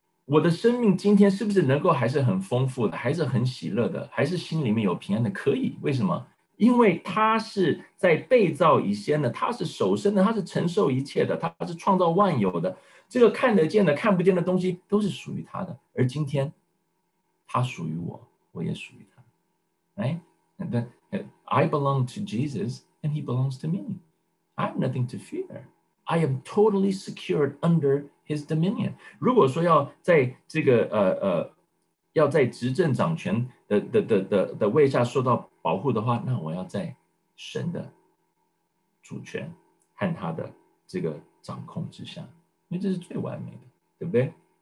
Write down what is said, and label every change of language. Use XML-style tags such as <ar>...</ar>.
<zh>我的生命今天是不是能够还是很丰富的，还是很喜乐的，还是心里面有平安的？可以。为什么？因为他是在被造以先的，他是首生的，他是承受一切的，他是创造万有的。这个看得见的看不见的东西都是属于他的，而今天他属于我，我也属于他。</zh> <en>I belong to Jesus and he belongs to me. I have nothing to fear. I am totally secured under his dominion.</en> <zh>如果说要在这个要在执政掌权的位下受到保护的话，那我要在神的主权和他的这个掌控之下，因为这是最完美的，对不对？</zh>